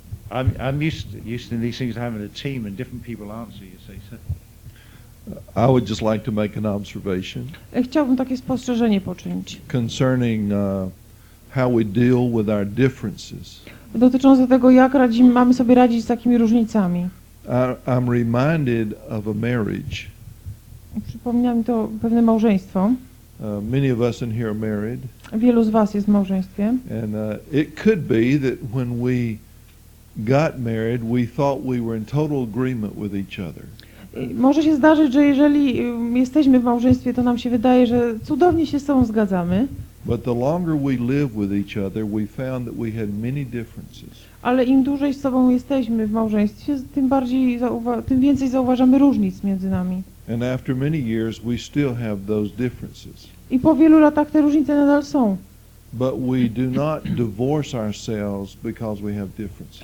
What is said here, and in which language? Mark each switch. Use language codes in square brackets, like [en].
[en] I'm used to these things, having a team and different people answer, you see. So. I would just like to make an observation. [pl] Chciałbym takie spostrzeżenie poczynić. [en] Concerning how we deal with our differences. [pl] Dotyczące tego, jak radzimy, mamy sobie radzić z takimi różnicami. [en] I'm reminded of a marriage. [pl] Przypomina mi to pewne małżeństwo. [en] Many of us in here are married. [pl] Wielu z was jest w małżeństwie. [en] And it could be that when we got married, we thought we were in total agreement with each other. [pl] Może się zdarzyć, że jeżeli jesteśmy w małżeństwie, to nam się wydaje, że cudownie się z sobą zgadzamy. [en] But the longer we live with each other, we found that we had many differences. [pl] Ale im dłużej z sobą jesteśmy w małżeństwie, tym więcej zauważamy różnic między nami. [en] And after many years, we still have those differences. [pl] I po wielu latach te różnice nadal są. [en] But we do not divorce ourselves because we have differences.